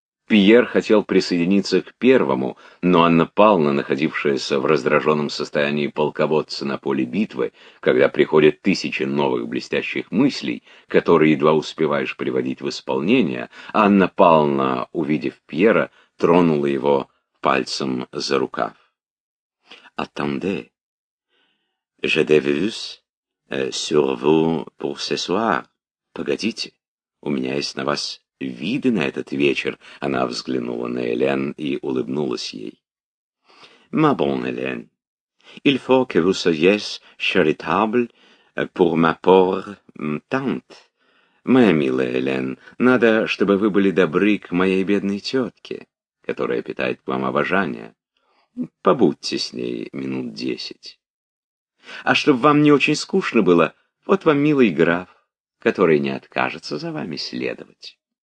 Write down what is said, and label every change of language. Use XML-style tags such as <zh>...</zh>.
<ru>Пьер хотел присоединиться к первому, но Анна Павловна, находившаяся в раздраженном состоянии полководца на поле битвы, когда приходят тысячи новых блестящих мыслей, которые едва успеваешь приводить в исполнение, Анна Павловна, увидев Пьера, тронула его пальцем за рукав.</ru> <fr>«Attendez, je devais sur vous pour ce soir.</fr> <ru>Погодите, у меня есть на вас виды на этот вечер», — она взглянула на Элен и улыбнулась ей.</ru> <fr>«Ma bonne Hélène, il faut que vous soyez charitable pour ma pauvre tante.</fr> <ru>Моя милая Элен, надо, чтобы вы были добры к моей бедной тетке, которая питает к вам обожание. Побудьте с ней минут 10. А чтобы вам не очень скучно было, вот вам милый граф, который не откажется за вами следовать».</ru>